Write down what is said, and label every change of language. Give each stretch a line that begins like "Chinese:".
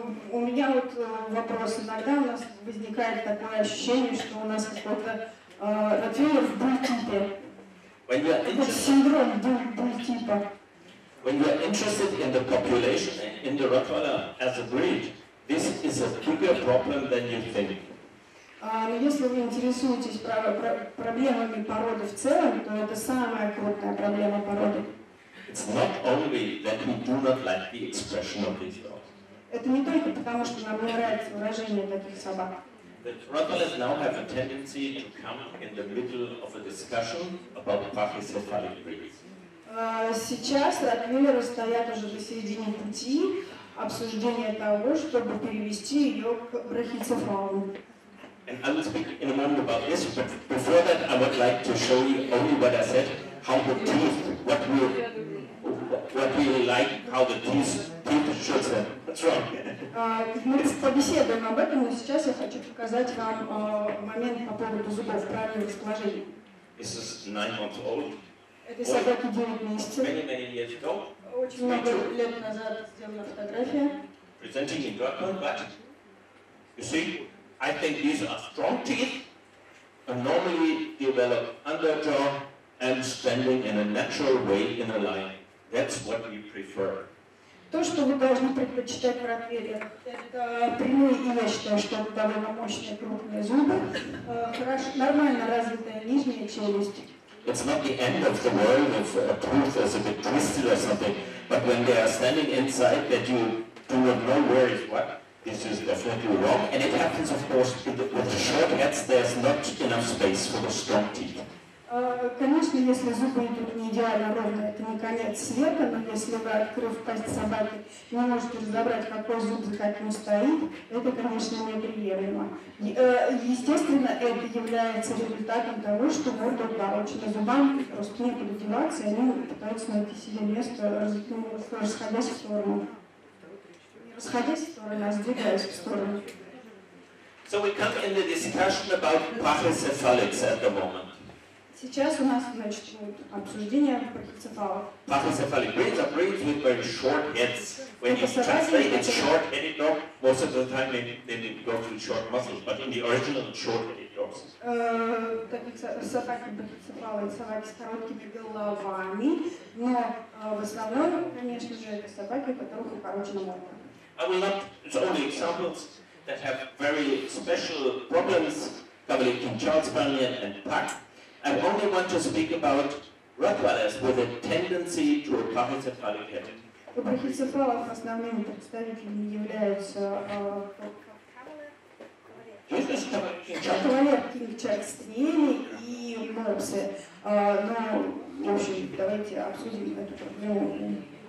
Russian: У меня вот вопрос иногда, у нас возникает такое ощущение, что у нас какой-то Ротвейлер бультипа. Синдром бультипа.
English: When you are interested in the population, in the Rottweiler as a breed, this is a bigger problem than you think.
Russian: Но если вы интересуетесь проблемами породы в целом, то это самая крупная проблема породы.
English: It's not only that we do not like the expression of these dogs.
Russian: Это не только потому, что нам не нравится выражение таких собак.
English: But Rottweilers now have a tendency to come in the middle of a discussion about pachycephalic breeds.
Russian: Сейчас ротвейлеры стоят уже посередине пути обсуждения того, чтобы перевести ее к брахицефалу.
English: And I will speak in a moment about this, but before that I would like to show you only what I said, how the teeth, what we like, how the teeth should be. What's wrong?
Russian: Мы побеседуем об этом, но сейчас я хочу показать вам момент по поводу зубов, правильное расположение.
English: This is 9 months old.
Russian: Это собаки 9 месяцев.
English: Many years ago.
Russian: Очень много лет назад сделана фотография.
English: Presenting in Dortmund, but you see, I think these are strong teeth, and normally develop under jaw and standing in a natural way in a line. That's what we prefer.
Russian: То, что вы должны предпочитать в ротвейлерах, это прямые, и я считаю, что это довольно мощные крупные зубы, хорошо, нормально развитая нижняя челюсть.
English: It's not the end of the world if a tooth is a bit twisted or something, but when they are standing inside, that you do not know where is what. This is definitely wrong, and it happens, of course, with the short heads, there's not enough space for the strong teeth.
Russian: Конечно, если зубы идут не идеально ровно, это не конец света, но если вы, открыв пасть собаки, не можете разобрать, какой зуб за каким стоит, это, конечно, неприемлемо. Естественно, это является результатом того, что морда уплорочена зубами, просто некуда деваться, они пытаются найти себе место, расходясь в сторону.
English: So we come in the discussion about brachycephalics at the moment.
Russian: Сейчас у нас начнут обсуждение
English: brachycephalic breeds are breeds with very short heads. When you translate it short-headed dog, most of the time they need to go through short muscles, but in the original it's short-headed dogs.
Russian: Собаки брахицефалы, собаки с короткими головами, но в основном, конечно же, это собаки, у которых укорочена морда.
English: I will not, it's only examples that have very special problems, covering King Charles Spaniel and Puck. I only want to speak about Rottweilers with a tendency to a brachycephalic head.
Russian: У брахицефалов основными представителями являются кавалер, кинг Чарльз Спаниели и мопсы. Но, в общем, давайте обсудим эту проблему.